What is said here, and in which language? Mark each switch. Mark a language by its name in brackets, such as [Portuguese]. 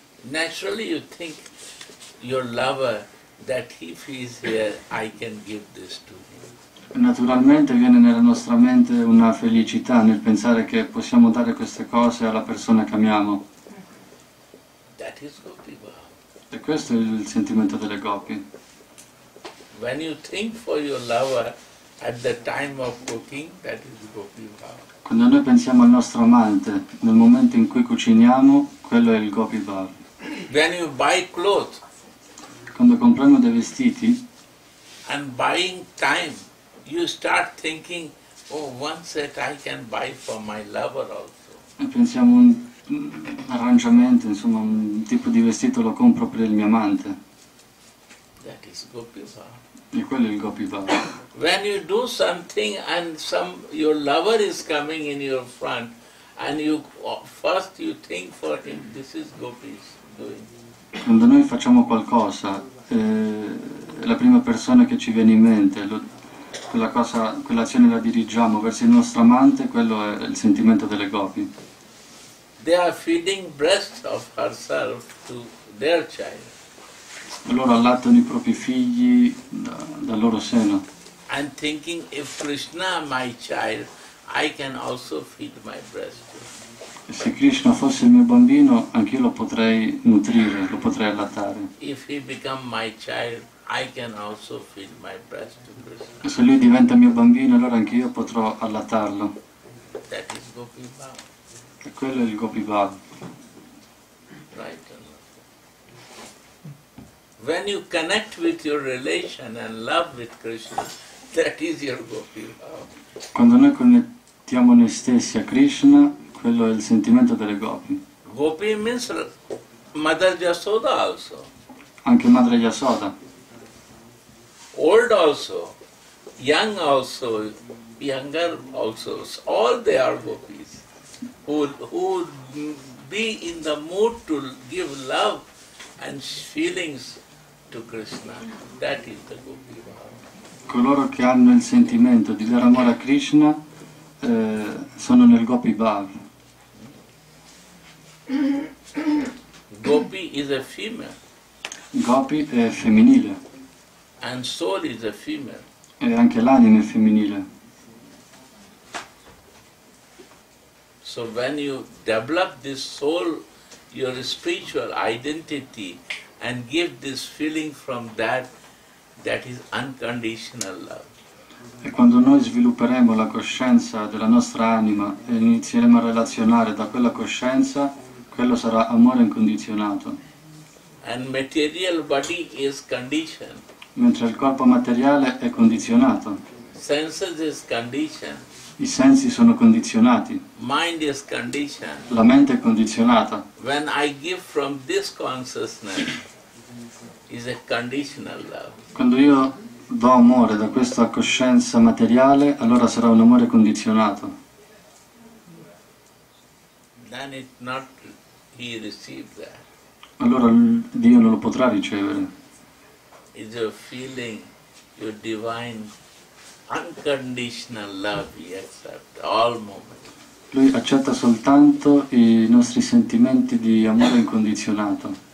[English] naturally you think your lover that if he is here I can give this to him. [Italian] Naturalmente viene nella nostra mente una felicità nel pensare che possiamo dare queste cose alla persona che amiamo. [English] That is Gopi Bhava. [Italian] E questo è il sentimento delle Gopi. [English] When you think for your lover at the time of cooking, that is Gopi Bhava. [Italian] Quando noi pensiamo al nostro amante nel momento in cui cuciniamo, quello è il Gopi Bhava. [English] When you buy clothes, [Italian] quando compriamo dei vestiti, [English] and buying time, you start thinking, oh, one set I can buy for my lover also. [Italian] E pensiamo un arrangiamento, insomma, un tipo di vestito lo compro per il mio amante. [English] That is Gopi Bhava. [Italian] E quello è il Gopi Bhava. [English] When you do something and some your lover is coming in your front, and you first you think for him, this is Gopi doing. [Italian] Quando noi facciamo qualcosa, la prima persona che ci viene in mente, quella cosa, quell'azione la dirigiamo verso il nostro amante, quello è il sentimento delle Gopi. [English] They are feeding breast of herself to their child. [Italian] Loro allattano i propri figli dal loro seno. [English] I'm thinking if Krishna my child, I can also feed my breast. [Italian] E se Krishna fosse il mio bambino, anch'io lo potrei nutrire, lo potrei allattare. [English] If he become my child, I can also feed my breast to Krishna. [Italian] Se lui diventa mio bambino, allora anche io potrò allattarlo. [English] That is Gopi Bhava. [Italian] E quello è il Gopi Bhava. [English] Right. When you connect with your relation and love with Krishna, that is your gopi love. [Italian] Quando noi connettiamo noi stessi a Krishna, quello è il sentimento delle gopi. [English] Gopi means Mother Yasoda also. [Italian] Anche Madre Yasoda. [English] Old also, young also, younger also, all they are gopis who be in the mood to give love and feelings to Krishna. That is the gopi bhava. [Italian] Coloro che hanno il sentimento di dare amore a Krishna sono nel gopi bhava. [English] Gopi is a female. [Italian] Gopi è femminile. [English] And soul is a female. [Italian] E anche l'anima è femminile. [English] So when you develop this soul, your spiritual identity, and give this feeling from that, that is unconditional love. [Italian] E quando noi svilupperemo la coscienza della nostra anima e inizieremo a relazionare da quella coscienza, quello sarà amore incondizionato. [English] And material body is conditioned. [Italian] Mentre il corpo materiale è condizionato. [English] Senses is conditioned. [Italian] I sensi sono condizionati. [English] Mind is conditioned. [Italian] La mente è condizionata. [English] When I give from this consciousness is a conditional love. [Italian] Quando io do amore da questa coscienza materiale, allora sarà un amore condizionato. [English] Then it not he receives that. [Italian] Allora Dio non lo potrà ricevere. [English] It's a feeling, your divine unconditional love he accepts all moments. [Italian] Lui accetta soltanto i nostri sentimenti di amore incondizionato.